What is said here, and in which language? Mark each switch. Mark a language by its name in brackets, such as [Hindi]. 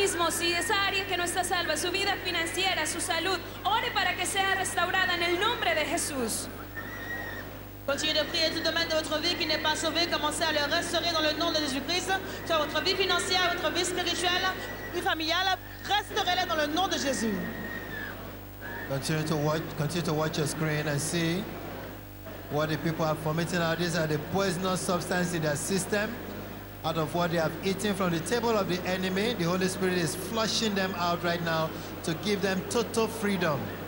[Spanish] Si esa área que no está salva, su vida financiera, su salud, ore para que sea restaurada en el nombre de Jesús. [French] Continuez de prier tout domaine de votre vie qui n'est pas sauvé, commencez à le restaurer dans le nom de Jésus-Christ. Soit votre vie financière, votre vie spirituelle, vie familiale, restaurez-la dans le nom de Jésus. [English] Continue to watch your screen and see what the people are vomiting out. These are the poisonous substances in their system. Out of what they have eaten from the table of the enemy, the Holy Spirit is flushing them out right now to give them total freedom.